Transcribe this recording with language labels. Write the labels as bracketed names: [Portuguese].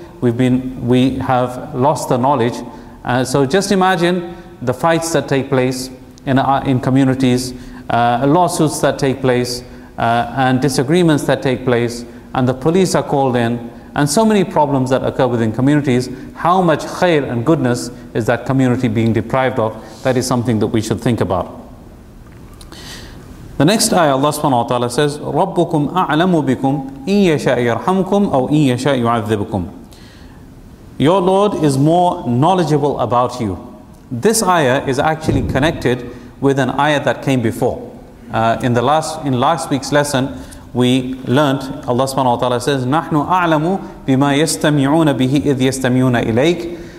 [English] We have lost the knowledge. So just imagine the fights that take place in communities, lawsuits that take place, and disagreements that take place, and the police are called in, and so many problems that occur within communities. How much khair and goodness is that community being deprived of? That is something that we should think about. The next ayah, Allah subhanahu wa ta'ala says, [Arabic] رَبُّكُمْ أَعْلَمُ بِكُمْ إِن يَشَأْ يَرْحَمْكُمْ أَوْ إِن يَشَأْ يُعَذِّبُكُمْ. [English] Your Lord is more knowledgeable about you. This ayah is actually connected with an ayah that came before. In last week's lesson, we learnt, Allah subhanahu wa ta'ala says, [Arabic] نَحْنُ أَعْلَمُ بِمَا يَسْتَمِعُونَ بِهِ إِذْ يَسْتَمِعُونَ إِلَيْكَ.